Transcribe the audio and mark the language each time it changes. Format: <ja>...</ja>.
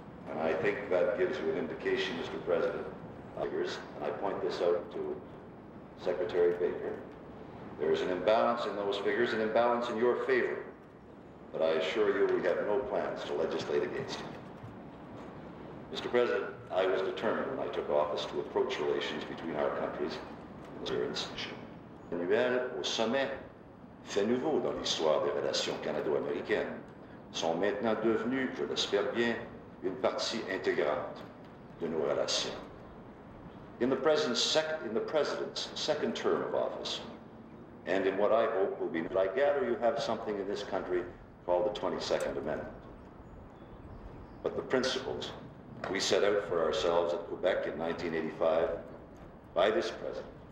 <en>And I think that gives you an indication, Mr. President, and I point this out to Secretary Baker, there is an imbalance in those figures, an imbalance in your favor. But I assure you, we have no plans to legislate against it. Mr. President, I was determined when I took office to approach relations between our countries and their institution.</en> <fr>Annuel au sommet, fait nouveau dans l'histoire des relations canado-américaines, sont maintenant devenus, je l'espère bien, une partie intégrante de nos relations.</fr> <en>In the President's second term of office, and in what I hope will be, but I gather you have something in this country called the 22nd Amendment. But the principles we set out for ourselves at Quebec in 1985 by this president</en>